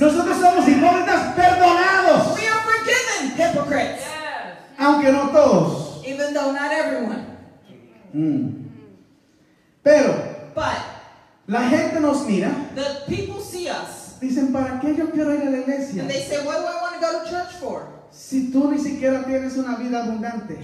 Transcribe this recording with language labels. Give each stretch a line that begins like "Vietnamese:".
Spanish: Nosotros somos hipócritas perdonados.
English: We are forgiven hypocrites. Yeah.
Spanish: Aunque no todos.
English: Even though not everyone.
Spanish: Mm. Pero.
English: But.
Spanish: La gente nos mira.
English: The people see us.
Spanish: Dicen, ¿para qué yo quiero ir a la iglesia?
English: And they say, what do I want to go to church for?
Spanish: Si tú ni siquiera tienes una vida abundante.